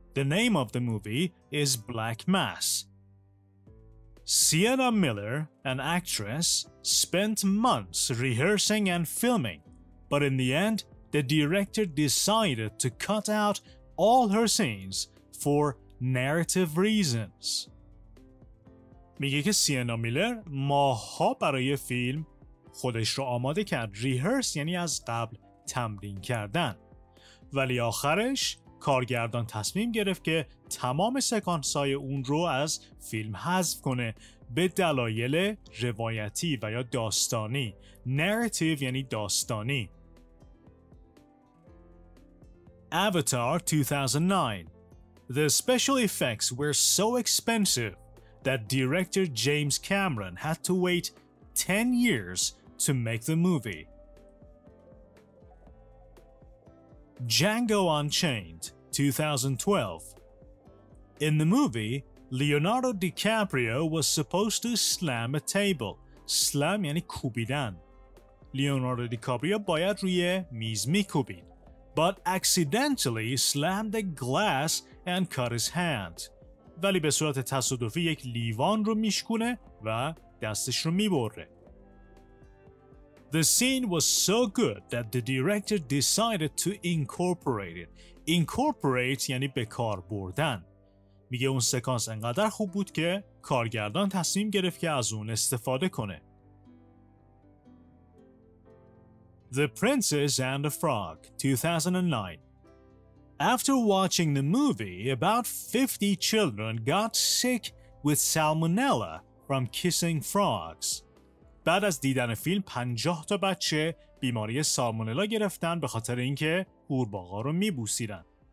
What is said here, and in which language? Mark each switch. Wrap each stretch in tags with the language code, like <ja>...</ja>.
<en>The name of the movie is Black Mass. Sienna Miller, an actress, spent months rehearsing and filming, but in the end, the director decided to cut out all her scenes for narrative reasons.</en> <fa>میگه که سینا میلر ماها برای فیلم خودش رو آماده کرد. ریهرس یعنی از قبل تمرین کردن. ولی آخرش کارگردان تصمیم گرفت که تمام سکانس‌های اون رو از فیلم حذف کنه به دلایل روایتی و یا داستانی. نراتیو یعنی داستانی.</fa> <en>Avatar 2009. The special effects were so expensive that director James Cameron had to wait 10 years to make the movie. Django Unchained, 2012. In the movie, Leonardo DiCaprio was supposed to slam a table.</en> <fa>Slam یعنی کوبیدن. Leonardo DiCaprio باید روی میز میکوبید.</fa> <en>But accidentally slammed a glass and cut his hand.</en> <fa>ولی به صورت تصادفی یک لیوان رو میشکونه و دستش رو میبره.</fa> <en>The scene was so good that the director decided to incorporate it.</en> <fa>Incorporate یعنی به کار بردن. میگه اون سکانس انقدر خوب بود که کارگردان تصمیم گرفت که از اون استفاده کنه.</fa> <en>The Princess and the Frog, 2009. After watching the movie, about 50 children got sick with salmonella from kissing frogs.</en> <fa>بعد از دیدن فیلم 50 تا بچه بیماری سالمونلا گرفتن به خاطر اینکه قورباغا رو میبوسیدن.</fa>